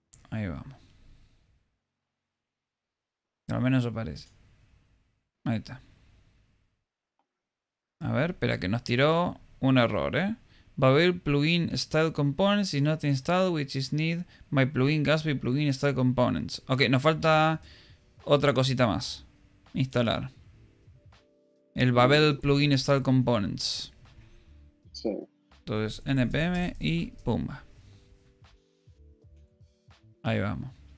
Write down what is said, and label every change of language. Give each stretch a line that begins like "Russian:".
Spanish: Ahí vamos. Al menos aparece. Ahí está. A ver, espera, que nos tiró un error, ¿eh?
English: Babel plugin style components is not installed, which is need my plugin Gatsby plugin style components.
Spanish: Ok, nos falta otra cosita más. Instalar. El Babel plugin style components. Sí. Entonces, npm y pumba. Ahí vamos.